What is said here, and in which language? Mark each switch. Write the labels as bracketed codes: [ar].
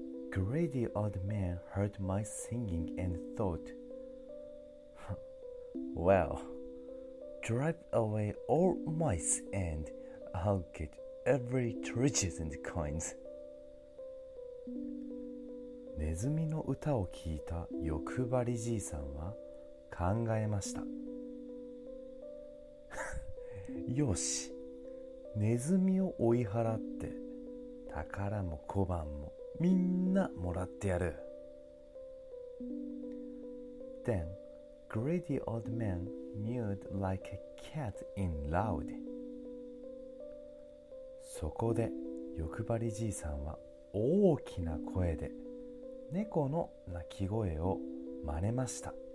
[en] Greedy old man heard mice singing and thought, well, drive away all mice and I'll get every treasure and coins. [ja] ネズミの歌を聞いた欲張りじいさんは考えました。よし、ネズミを追い払って宝も小判もみんなもらってやる。 [en] Then greedy old man mewed like a cat in loud. [ja] そこで欲張りじいさんは大きな声で猫の鳴き声を真似ました。